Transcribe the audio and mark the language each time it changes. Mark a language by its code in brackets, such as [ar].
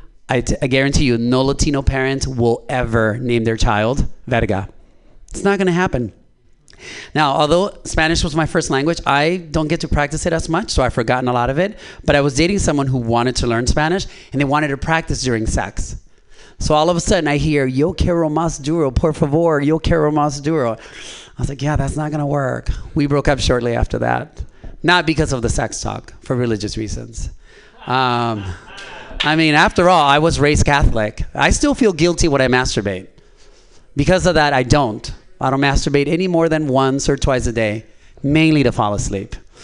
[en] I guarantee you, no Latino parent will ever name their child Verga. It's not going to happen. Now, although Spanish was my first language, I don't get to practice it as much, so I've forgotten a lot of it. But I was dating someone who wanted to learn Spanish, and they wanted to practice during sex. So all of a sudden, I hear, [es] yo quiero más duro, por favor, yo quiero más duro. [en] I was like, yeah, that's not going to work. We broke up shortly after that. Not because of the sex talk, for religious reasons. I mean, after all, I was raised Catholic. I still feel guilty when I masturbate. Because of that, I don't. I don't masturbate any more than once or twice a day, mainly to fall asleep.